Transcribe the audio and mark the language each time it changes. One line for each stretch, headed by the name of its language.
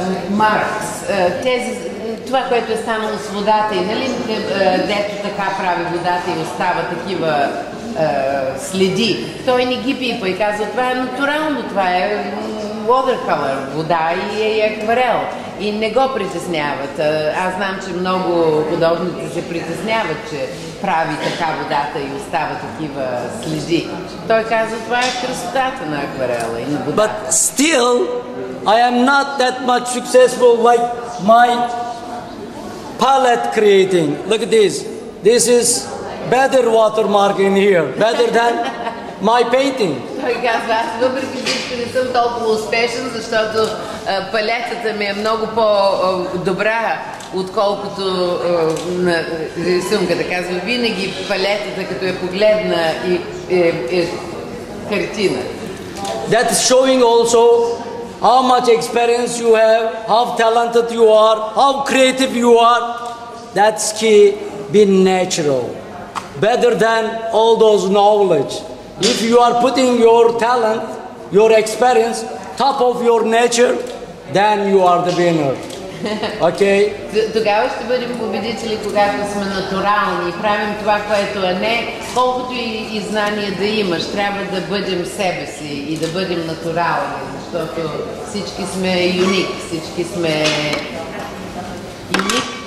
Bulgarian: Маркс, тези, това, което е станало с водата и нали, дето така прави водата и остава такива следи, той не ги пипа и казва, това е натурално, това е watercolor, вода и е акварел. И не го притесняват. Аз знам, че много подобници се притесняват, че прави така водата и остава такива следи. Той казва, това е красотата на акварела и на водата.
English: But still, I am not that much successful like my palette creating. Look at this. This is better watermark in here, better than my painting.
Bulgarian: Той казва, аз въпреки всичко не съм толкова успешен, защото палетата ми е много по-добра, отколкото на рисунката. Казва, винаги палетата, като я погледна, е картина.
English: That is showing also how much experience you have, how talented you are, how creative you are. That's key, be natural. Better than all those knowledge. If you are putting your talent, your experience, top of your nature, then you are the winner. Okay?
Bulgarian: Тогава ще бъдем победители, когато сме натурални и правим това, което е не, колкото и знание да имаш, трябва да бъдем себе си и да бъдем натурални. Защото всички сме юник, всички сме юник